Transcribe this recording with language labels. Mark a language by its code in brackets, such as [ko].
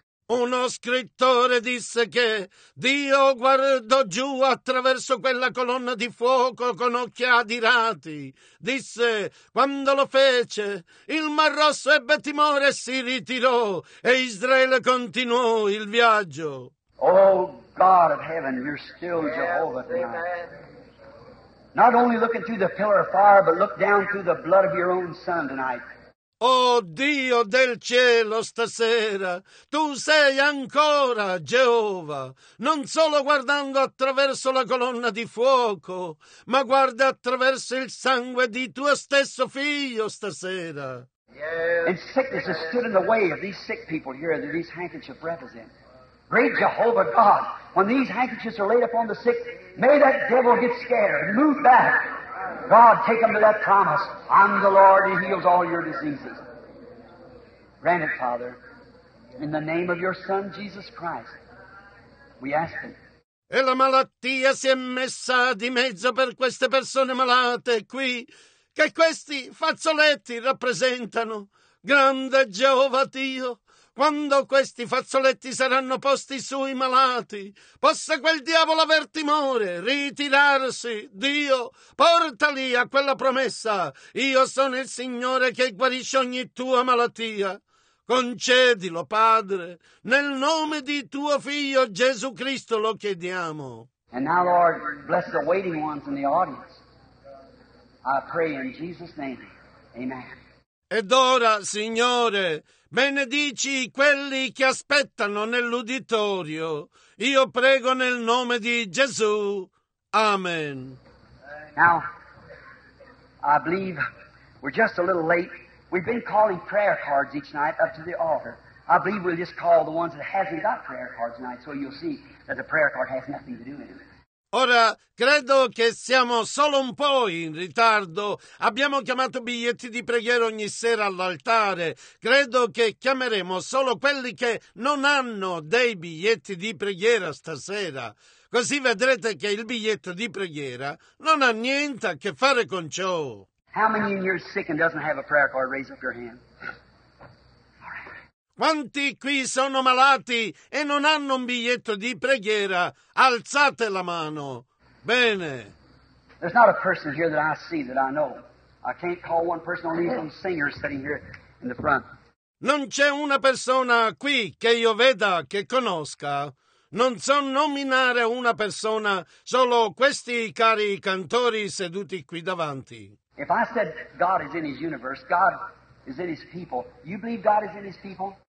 [it] Uno scrittore disse che Dio guardò giù attraverso quella colonna di fuoco con occhi adirati. Disse, quando lo fece, il Mar Rosso ebbe timore e si ritirò, e Israele continuò il viaggio. [en] Oh, God of heaven, you're still Jehovah tonight. Amen. Not only looking through the pillar of fire, but look down through the blood of your own son tonight. [it] Oh Dio del cielo, stasera tu sei ancora Geova, non solo guardando attraverso la colonna di fuoco, ma guarda attraverso il sangue di tuo stesso figlio stasera. [en] Yes. And sickness has stood in the way of these sick people here that these handkerchiefs represent. Great Jehovah God, when these handkerchiefs are laid upon the sick, may that devil get scared, move back. God, take them to that promise. I'm the Lord who heals all your diseases. Grant it, Father, in the name of your Son, Jesus Christ, we ask it. [it] E la malattia si è messa di mezzo per queste persone malate qui, che questi fazzoletti rappresentano. Grande Geova Dio, quando questi fazzoletti saranno posti sui malati, possa quel diavolo aver timore, ritirarsi. Dio, portali a quella promessa. Io sono il Signore che guarisce ogni tua malattia. Concedilo, Padre. Nel nome di tuo Figlio Gesù Cristo lo chiediamo. [en] And now, Lord, bless the waiting ones in the audience. I pray in Jesus' name. Amen. [it] Ed ora, Signore, benedici quelli che aspettano nell'uditorio. Io prego nel nome di Gesù. Amen. [en] Now, I believe we're just a little late. We've been calling prayer cards each night up to the altar. I believe we'll just call the ones that haven't got prayer cards tonight, so you'll see that the prayer card has nothing to do with it. [it] Ora, credo che siamo solo un po' in ritardo. Abbiamo chiamato biglietti di preghiera ogni sera all'altare. Credo che chiameremo solo quelli che non hanno dei biglietti di preghiera stasera. Così vedrete che il biglietto di preghiera non ha niente a che fare con ciò. [en] How many in here sick and doesn't have a prayer card? Raise up your hand. [it] Quanti qui sono malati e non hanno un biglietto di preghiera? Alzate la mano. Bene. [en] There's not a person here that I see that I know. I can't call one person on these singers sitting here in the front. [it] Non c'è una persona qui che io veda, che conosca. Non so nominare una persona, solo questi cari cantori seduti qui davanti. [en] If I said God is in his universe, God is in his people. You believe God is in his people?